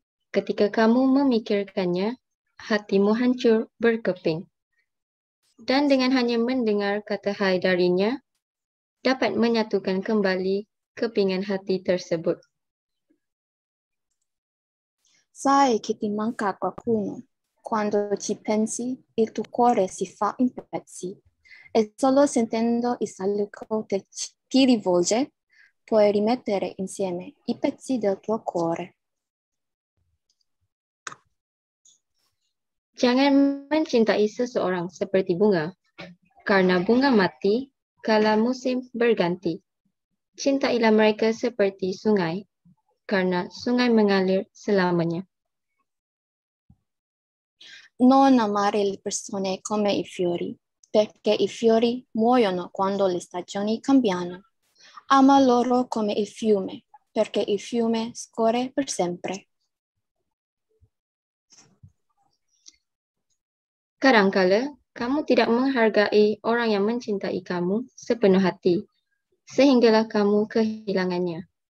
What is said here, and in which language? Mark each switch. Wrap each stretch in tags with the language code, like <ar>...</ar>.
<id>Ketika kamu memikirkannya, hatimu hancur berkeping. Dan dengan hanya mendengar kata hai darinya, dapat menyatukan kembali kepingan hati tersebut.</id> <it>Sai che ti manca qualcuno. Quando ci pensi, il tuo cuore si fa in pezzi. E solo sentendo il saluto che ti rivolge, puoi rimettere insieme i pezzi del tuo cuore.</it> <id>Jangan mencintai seseorang seperti bunga, karena bunga mati kala musim berganti. Cintailah mereka seperti sungai, karena sungai mengalir selamanya.</id> <it>Non amare le persone come i fiori, perché i fiori muoiono quando le stagioni cambiano. Ama loro come il fiume, perché il fiume scorre per sempre.</it> <id>Kadangkala, kamu tidak menghargai orang yang mencintai kamu sepenuh hati, sehinggalah kamu kehilangannya.</id>